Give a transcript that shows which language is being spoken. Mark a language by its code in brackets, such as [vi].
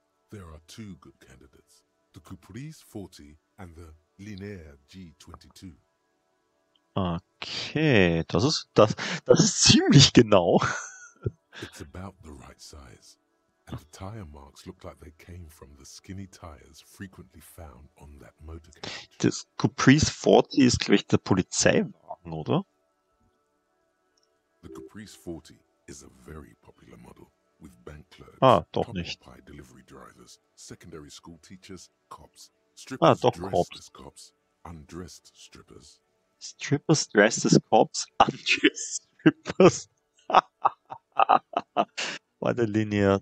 [en] There are two good candidates, the Cuprice 40 and the Linear G22. [de] Okay, das ist ziemlich genau. [en] It's about the right size. And the tire marks look like they came from the skinny tires frequently found on that motor carriage. [de] Das Caprice 40 ist glaube ich der Polizeiwagen, oder? [en] The Caprice 40 is a very popular model with bank clerks. [de] Ah, doch nicht. [en] Delivery drivers, secondary school teachers, cops, strippers, cops, undressed strippers. Strippers dressed as cops, undressed strippers. By the linear.